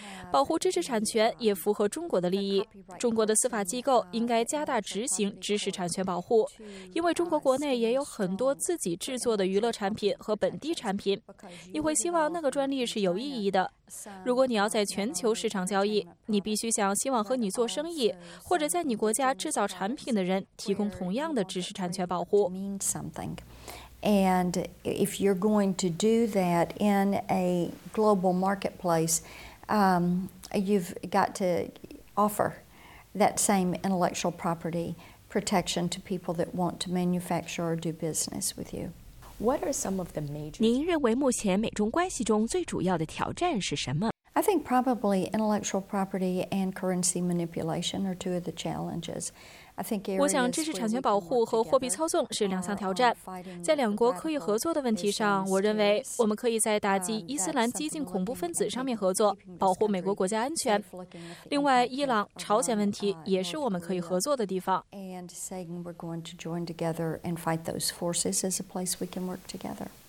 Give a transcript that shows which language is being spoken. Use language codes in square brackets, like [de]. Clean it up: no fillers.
[zh] 保护知识产权也符合中国的利益。中国的司法机构应该加大执行知识产权保护，因为中国国内也有很多自己制作的娱乐产品和本地产品，你会希望那个专利是有意义的。如果你要在全球市场交易，你必须向希望和你做生意或者在你国家制造产品的人提供同样的知识产权保护。 [en] And if you're going to do that in a global marketplace, you've got to offer that same intellectual property protection to people that want to manufacture or do business with you. What are some of the major? [zh] 您认为目前美中关系中最主要的挑战是什么？ [en] I think probably intellectual property and currency manipulation are two of the challenges. I think areas. [zh] 我想知识产权保护和货币操纵是两项挑战。在两国可以合作的问题上，我认为我们可以在打击伊斯兰激进恐怖分子上面合作，保护美国国家安全。另外，伊朗、朝鲜问题也是我们可以合作的地方。 [en] And saying we're going to join together and fight those forces is a place we can work together.